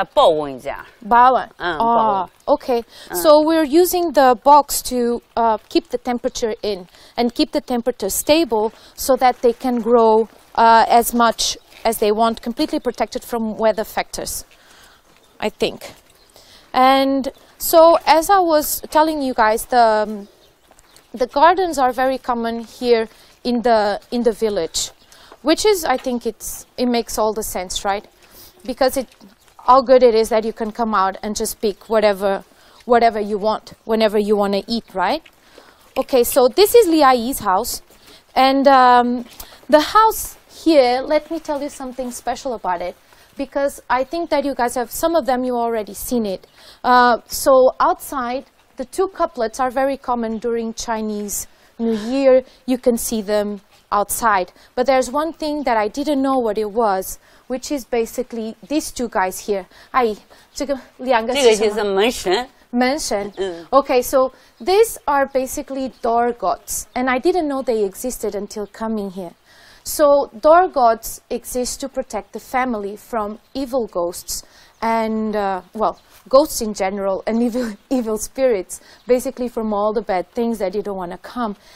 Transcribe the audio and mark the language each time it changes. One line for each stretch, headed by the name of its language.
Chinese: 我们为什么用盒子？但这个是要保温一下。保温。 Okay.
English: So we're using the box to keep the temperature in and keep the temperature stable so that they can grow as much as they want, completely protected from weather factors, I think. And so as I was telling you guys, the gardens are very common here in the village. Which is, I think it's, it makes all the sense, right? Because it, how good it is that you can come out and just pick whatever, you want, whenever you want to eat, right? Okay, so this is Liai's house. And the house here, let me tell you something special about it. Because I think that you guys have, some of them you already seen it. So outside, the two couplets are very common during Chinese New Year. You can see them outside, but there's one thing that I didn't know what it was, which is basically these two guys here.
Chinese: 哎，这个两个是什么？这个就是门神。门神。
English: Okay, so these are basically door gods, and I didn't know they existed until coming here. So door gods exist to protect the family from evil ghosts and well, ghosts in general and evil spirits, basically from all the bad things that you don't want to come.